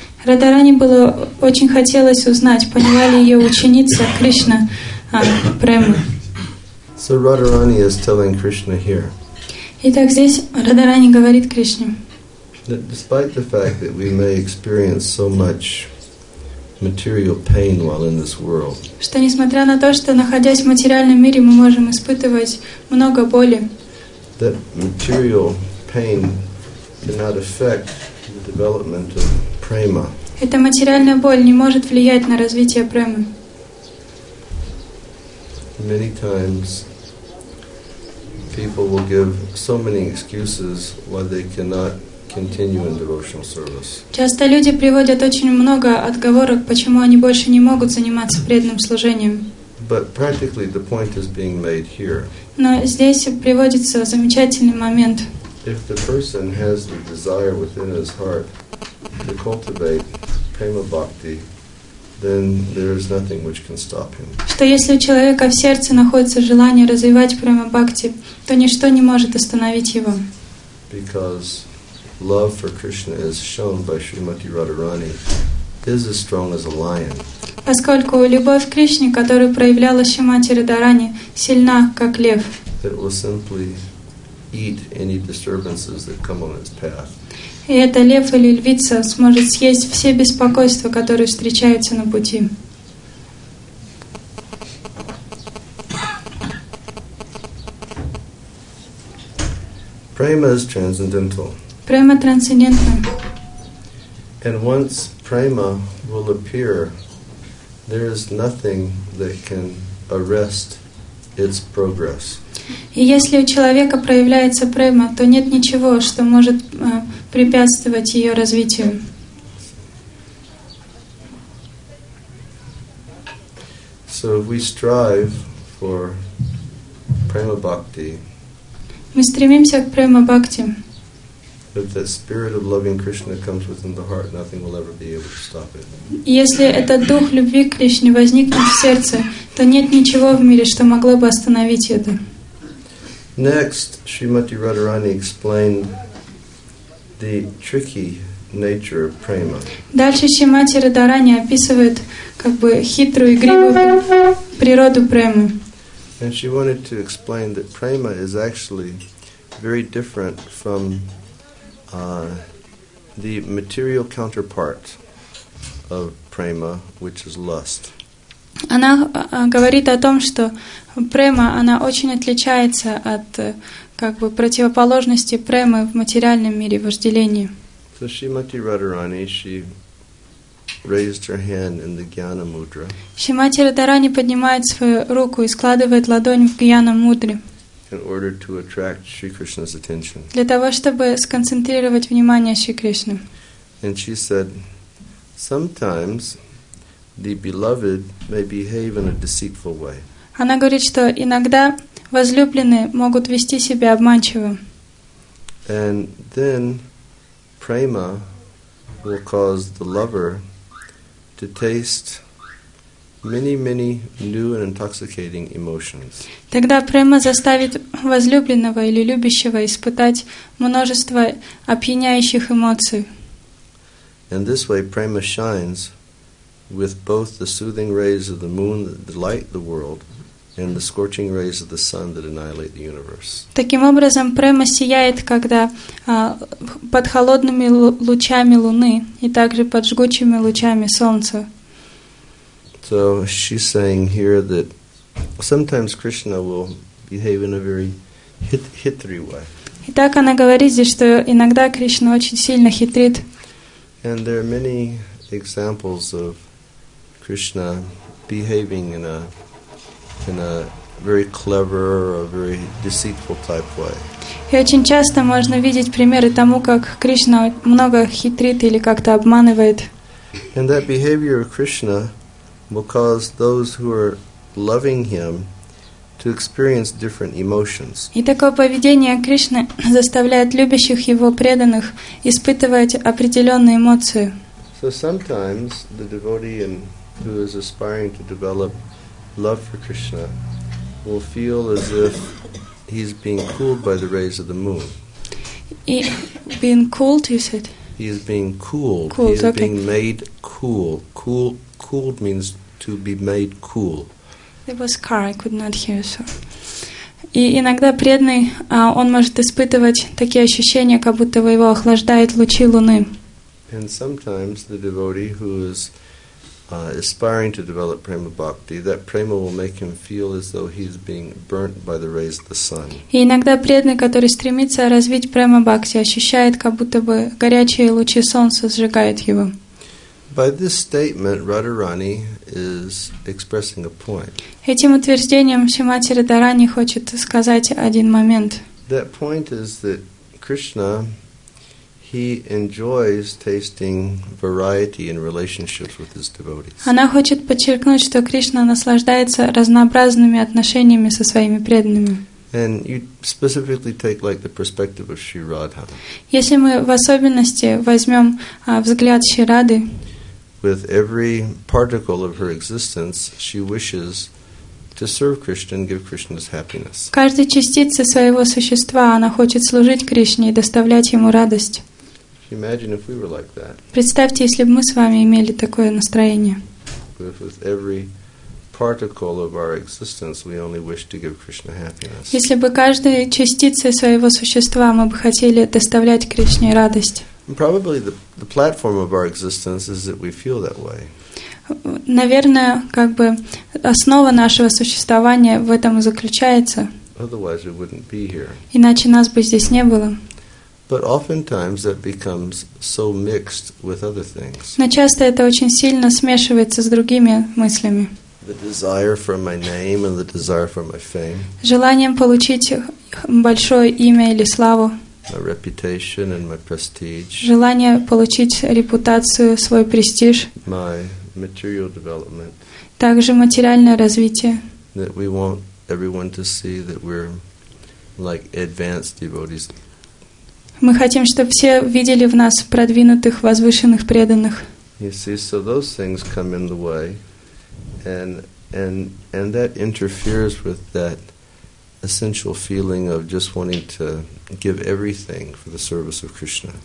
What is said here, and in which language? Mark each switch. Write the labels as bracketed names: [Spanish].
[Russian] Радарани было очень хотелось узнать, поняла ли ее ученица Кришна прему. [English] So Radharani is telling Krishna here. [Russian] Итак, здесь Радарани говорит Кришне. [English] That despite the fact that we may experience so much material pain while in this world. [Russian] Что несмотря на то, что находясь в материальном мире, мы можем испытывать много боли. [English] That material pain cannot affect the development of prema. [Russian] Эта материальная боль не может влиять на развитие премы. [English] Many times people will give so many excuses why they cannot continue in devotional service. [Russian] Часто люди приводят очень много отговорок, почему они больше не могут заниматься преданным служением. [English] But practically the point is being made here. [Russian] Но здесь приводится замечательный момент. [English] If the person has the desire within his heart to cultivate prema bhakti, then there is nothing which can stop him. [Russian] Что если у человека в сердце находится желание развивать према бхакти, то ничто не может остановить его. [English] Because love for Krishna is shown by Srimati Radharani is as strong as a lion. [Russian] Поскольку любовь к Кришне, которую проявляла Шримати Радарани, сильна как лев. [English] It will simply eat any disturbances that come on its path. [Russian] И это лев или львица сможет съесть все беспокойства, которые встречаются на пути. [English] Prema is transcendental. [Russian] Према трансцендентна. [English] And once prema will appear, there is nothing that can arrest its progress. [Russian] И если у человека проявляется према, то нет ничего, что может препятствовать ее развитию. [English] So if we strive for prema bhakti. [Russian] Мы стремимся к према бхакти. [English] If the spirit of loving Krishna comes within the heart, nothing will ever be able to stop it. [Russian] Если этот дух любви к Кришне возникнет в сердце, то нет ничего в мире, что могло бы остановить это. [English] Next, Srimati Radharani explained the tricky nature of prema. [Russian] Дальше Шримати Радарани описывает как бы хитрую игривую природу премы. [English] And she wanted to explain that prema is actually very different from the material counterpart of prema, which is lust. [Russian] Она говорит о том, что према, она очень отличается от как бы противоположности премы в материальном мире, вожделении. [English] So Srimati Radharani, she raised her hand in the Gyana Mudra. [Russian] Shri Mati Radharani поднимает свою руку и складывает ладонь в Гьяна Мудре. [English] In order to attract Shri Krishna's attention. [Russian] Для того, чтобы сконцентрировать внимание Шри Кришны. [English] And she said, sometimes the beloved may behave in a deceitful way. [Russian] Она говорит, что иногда возлюбленные могут вести себя обманчиво. [English] And then prema will cause the lover to taste many, many new and intoxicating emotions. [Russian] Тогда према заставит возлюбленного или любящего испытать множество опьяняющих эмоций. [English] And this way prema shines with both the soothing rays of the moon that delight the world and the scorching rays of the sun that annihilate the universe. [Russian] Таким образом, према сияет, когда под холодными лучами луны и также под жгучими лучами солнца. [English] So she's saying here that sometimes Krishna will behave in a very [Russian] hitri [English] way. [Russian] Итак, она говорит здесь, что иногда Кришна очень сильно хитрит. [English] And there are many examples of Krishna behaving in a very clever or very deceitful type way. [Russian] И очень часто можно видеть примеры тому, как Кришна много хитрит или как-то обманывает. [English] And that behavior of Krishna will cause those who are loving him to experience different emotions. [Russian] И такое поведение Кришны заставляет любящих его преданных испытывать определенные эмоции. [English] So sometimes the devotee who is aspiring to develop love for Krishna will feel as if he's being cooled by the rays of the moon. Being cooled, you said? He is being cooled. Cooled, he is okay. Being made cool. Cooled means to be made cool. It was car, I could not hear, so. [Russian] И иногда преданный, он может испытывать такие ощущения, как будто его охлаждают лучи луны. [English] And sometimes the devotee who is aspiring to develop prema bhakti, that prema will make him feel as though he is being burnt by the rays of the sun. [Russian] И иногда преданный, который стремится развить prema bhakti, ощущает, как будто бы горячие лучи солнца сжигают его. [English] By this statement, Radharani is expressing a point. [Russian] Этим утверждением Шримати Радхарани хочет сказать один момент. [English] That point is that Krishna, he enjoys tasting variety in relationships with his devotees. [Russian] Она хочет подчеркнуть, что Кришна наслаждается разнообразными отношениями со своими преданными. [English] And you specifically take like the perspective of Shri Radha. [Russian] Если мы в особенности возьмем взгляд Шри Рады. [English] With every particle of her existence, she wishes to serve Krishna and give Krishna's happiness. [Russian] Каждой частице своего существа она хочет служить Кришне и доставлять ему радость. [English] Imagine if we were like that. [Russian] Представьте, если бы мы с вами имели такое настроение. [English] With every particle of our existence, we only wish to give Krishna happiness. [Russian] Если бы каждой частице своего существа мы бы хотели доставлять Кришне радость. [English] Probably the platform of our existence is that we feel that way. [Russian] Наверное, как бы основа нашего существования в этом и заключается. [English] Otherwise, we wouldn't be here. [Russian] Иначе нас бы здесь не было. [English] But oftentimes that becomes so mixed with other things. [Russian] Но часто это очень сильно смешивается с другими мыслями. [English] The desire for my name and the desire for my fame. [Russian] Желанием получить большое имя или славу. [English] My reputation and my prestige. [Russian] Желание получить репутацию, свой престиж. [English] My material development. [Russian] Также материальное развитие. [English] That we want everyone to see that we're like advanced devotees. [Russian] Мы хотим, чтобы все видели в нас продвинутых, возвышенных преданных. [English] You see, so those things come in the way, and that interferes with that essential feeling of just wanting to give everything for the service of Krishna.